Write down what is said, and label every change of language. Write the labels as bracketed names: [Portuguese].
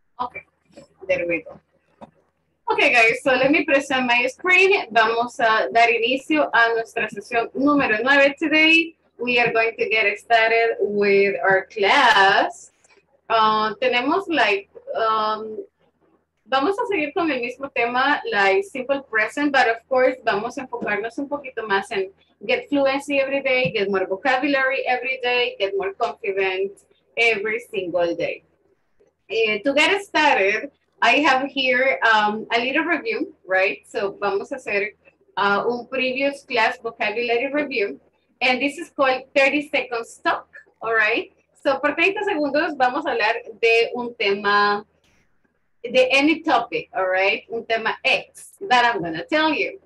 [English] Ok, there we go. Ok, guys, so let me present my screen. [Spanish] Vamos a dar inicio a nuestra sesión número 9 today. [English] We are going to get started with our class. [Spanish] Tenemos [English] like, [Spanish] vamos a seguir con el mismo tema, [English] like simple present, but of course, [Spanish] vamos a enfocarnos un poquito más en [English] get fluency every day, get more vocabulary every day, get more confident every single day. To get started, I have here a little review, right? So [Spanish] vamos a hacer un [English] previous class vocabulary review. And this is called 30 seconds talk, all right? [Spanish] So por 30 segundos vamos a hablar de un tema, de [English] any topic, all right? [Spanish] Un tema [English] X that I'm gonna tell you.